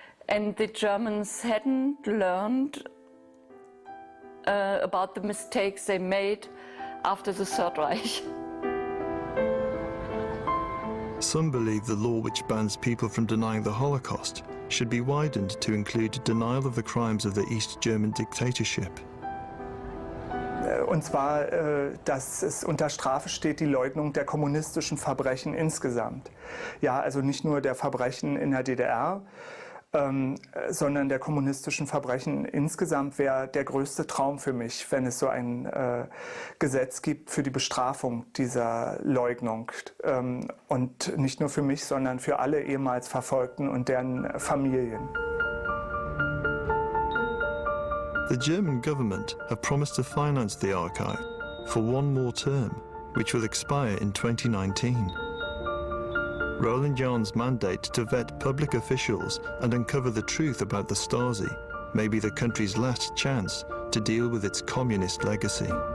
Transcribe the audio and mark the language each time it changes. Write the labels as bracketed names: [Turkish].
[English] And the Germans hadn't learned about the mistakes they made after the Third Reich. Some believe the law which bans people from denying the Holocaust should be widened to include denial of the crimes of the East German dictatorship. [German] Und zwar, dass es unter Strafe steht, die Leugnung der kommunistischen Verbrechen insgesamt. Ja, also nicht nur der Verbrechen in der DDR, sondern der kommunistischen Verbrechen insgesamt wäre der größte Traum für mich, wenn es so ein Gesetz gibt für die Bestrafung dieser Leugnung. Und nicht nur für mich, sondern für alle ehemals Verfolgten und deren Familien. [English] The German government have promised to finance the archive for one more term, which will expire in 2019. Roland Jahn's mandate to vet public officials and uncover the truth about the Stasi may be the country's last chance to deal with its communist legacy.